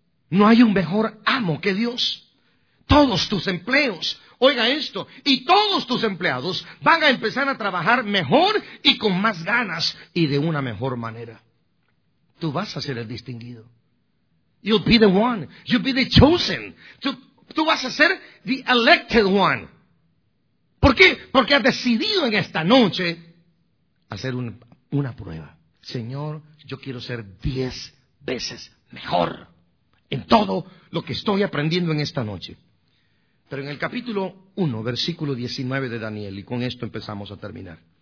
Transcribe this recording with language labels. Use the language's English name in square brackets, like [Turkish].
[Spanish] No hay un mejor amo que Dios. Todos tus empleos, oiga esto, y todos tus empleados van a empezar a trabajar mejor y con más ganas y de una mejor manera. Tú vas a ser el distinguido. [English] You'll be the one. You'll be the chosen. [Spanish] Tú vas a ser [English] the elected one. [Spanish] ¿Por qué? Porque has decidido en esta noche hacer una prueba. Señor, yo quiero ser 10 veces mejor en todo lo que estoy aprendiendo en esta noche. Pero en el capítulo 1, versículo 19 de Daniel, y con esto empezamos a terminar.